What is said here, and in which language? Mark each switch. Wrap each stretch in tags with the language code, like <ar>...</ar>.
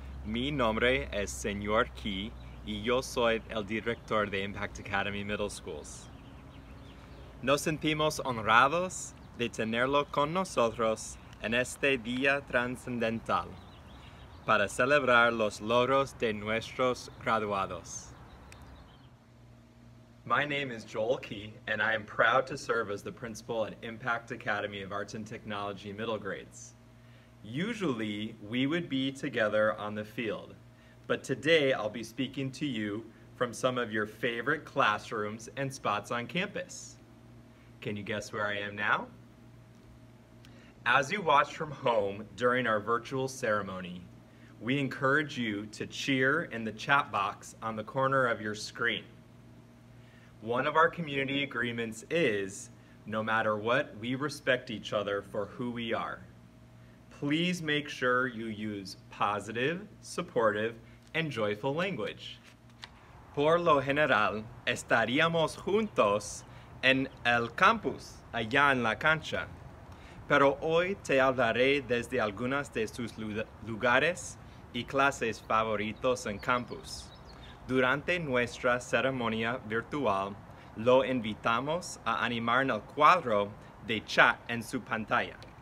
<es>Mi nombre es Señor Key, y yo soy el director de Impact Academy Middle Schools. Nos sentimos honrados de tenerlo con nosotros en este día trascendental para celebrar los logros de nuestros graduados.</es> <en>My name is Joel Key, and I am proud to serve as the principal at Impact Academy of Arts and Technology Middle Grades. Usually, we would be together on the field, but today I'll be speaking to you from some of your favorite classrooms and spots on campus. Can you guess where I am now? As you watch from home during our virtual ceremony, we encourage you to cheer in the chat box on the corner of your screen. One of our community agreements is, no matter what, we respect each other for who we are. Please make sure you use positive, supportive, and joyful language.</en> <es>Por lo general, estaríamos juntos en el campus, allá en la cancha. Pero hoy te hablaré desde algunas de sus lugares y clases favoritos en campus. Durante nuestra ceremonia virtual, lo invitamos a animar el cuadro de chat en su pantalla.</es>